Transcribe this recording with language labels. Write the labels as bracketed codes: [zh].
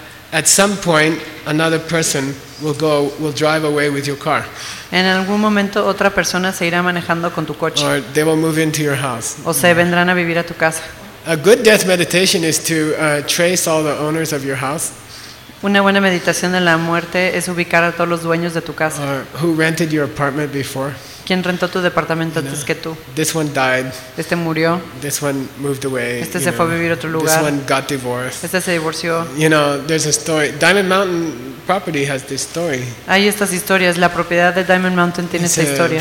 [en] At some point, another person will drive away with your car. [es] En algún momento otra persona se irá manejando con tu coche. [en] Or they will move into your house. [es] O se vendrán a vivir a tu casa. [en] A good death meditation is to trace all the owners of your house. [es] Una buena meditación de la muerte es ubicar a todos los dueños de tu casa. [en] Who rented your apartment before? [es] ¿Quién rentó tu departamento antes que tú? [en] This one died. [es] Este murió. [en] This one moved away. [es] Este se fue a vivir a otro lugar. [en] This one got divorced. [es] Este se divorció. [en] You know, there's a story. Diamond Mountain property has this story. [es] Hay estas historias. La propiedad de Diamond Mountain tiene esta historia.